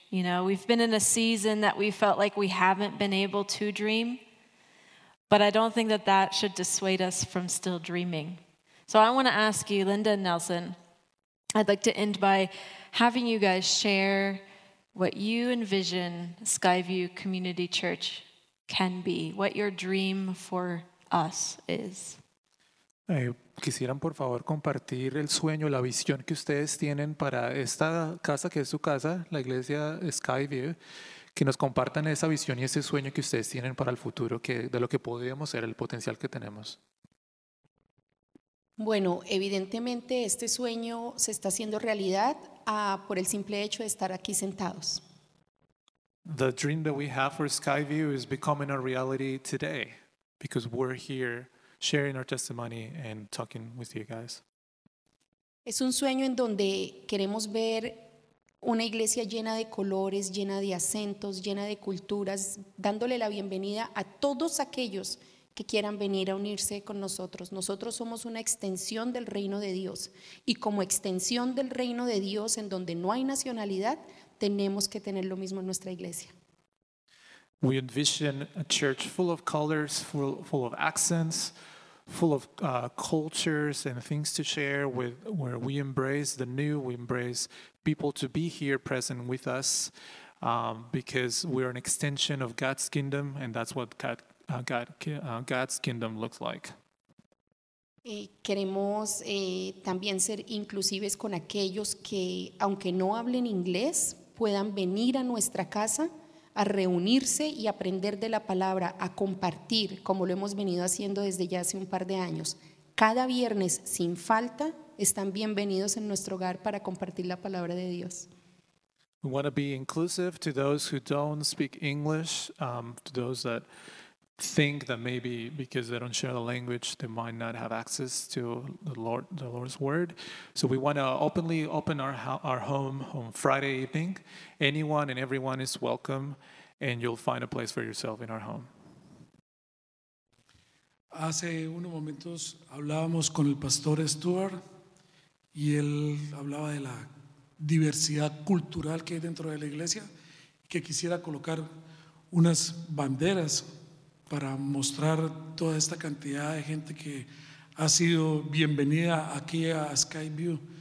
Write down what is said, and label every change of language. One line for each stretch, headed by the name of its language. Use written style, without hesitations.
English: You know, we've been in a season that we felt like we haven't been able to dream, but I don't think that that should dissuade us from still dreaming. So I want to ask you, Linda and Nelson, I'd like to end by having you guys share what you envision Skyview Community Church can be, what your dream for us is.
Spanish: Quisieran, por favor, compartir el sueño, la visión que ustedes tienen para esta casa, que es su casa, la iglesia Skyview, que nos compartan esa visión y ese sueño que ustedes tienen para el futuro, que, de lo que podríamos ser, el potencial que tenemos. Bueno, evidentemente este sueño se está haciendo realidad por el simple hecho de estar aquí sentados.
English: The dream that we have for Skyview is becoming a reality today, because we're here sharing our testimony and talking with you guys.
Spanish: Es un sueño en donde queremos ver una iglesia llena de colores, llena de acentos, llena de culturas, dándole la bienvenida a todos aquellos que quieran venir a unirse con nosotros. Nosotros somos una extensión del reino de Dios, y como extensión del reino de Dios, en donde no hay nacionalidad, tenemos que tener lo mismo en nuestra iglesia.
English: We envision a church full of colors, full of accents, full of cultures and things to share, with where we embrace the new, we embrace people to be here present with us, because we're an extension of God's kingdom, and that's what God's kingdom looks like.
Spanish: Queremos también ser inclusives con aquellos que, aunque no hablen inglés, puedan venir a nuestra casa a reunirse y aprender de la palabra, a compartir, como lo hemos venido haciendo desde ya hace un par de años. Cada viernes, sin falta, están bienvenidos en nuestro hogar para compartir la palabra de Dios.
English: We want to be inclusive to those who don't speak English, to those that think that maybe because they don't share the language, they might not have access to the Lord's word. So we want to openly open our home on Friday evening. Anyone and everyone is welcome, and you'll find a place for yourself in our home.
Spanish: Hace unos momentos hablábamos con el pastor Stuart, y él hablaba de la diversidad cultural que hay dentro de la iglesia, que quisiera colocar unas banderas para mostrar toda esta cantidad de gente que ha sido bienvenida aquí a Skyview.